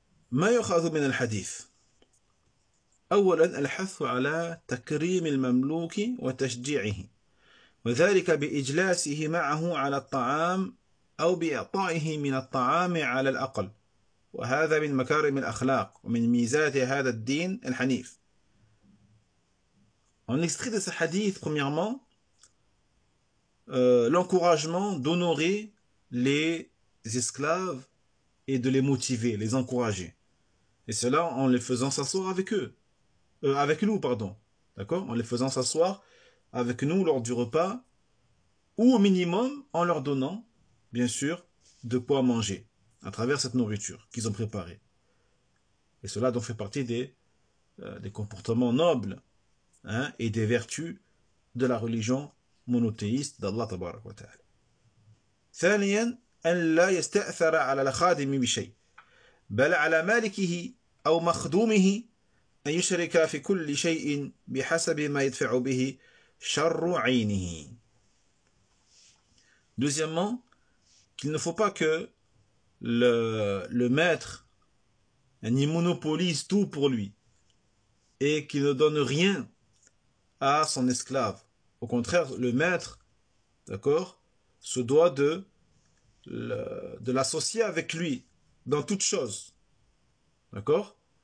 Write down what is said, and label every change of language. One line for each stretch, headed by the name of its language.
Arabic: ما يؤخذ من الحديث أولا الحث على تكريم المملوك وتشجيعه وذلك بإجلاسه معه على الطعام أو بإعطائه من الطعام على الأقل وهذا من مكارم الأخلاق ومن ميزات هذا الدين الحنيف.
French: On extrait de ce hadith premièrement l'encouragement d'honorer les esclaves et de les motiver, les encourager. Et cela en les faisant s'asseoir avec eux, avec nous, pardon. D'accord? En les faisant s'asseoir avec nous lors du repas, ou au minimum en leur donnant, bien sûr, de quoi manger à travers cette nourriture qu'ils ont préparée. Et cela donc fait partie des comportements nobles hein, et des vertus de la religion monothéiste d'Allah tabaraka wa ta'ala.
Arabic: Thaniyan, an la yasta'thara ala al-khadimi bi shay. بل على مالكه أو مخدومه أن يشرك في كل شيء بحسب ما يدفع به شر عينه.
French: Deuxièmement, qu'il ne faut pas que le maître n'y monopolise tout pour lui et qu'il ne donne rien à son esclave. Au contraire, le maître, d'accord, se doit de l'associer avec lui dans toute chose. D'accord?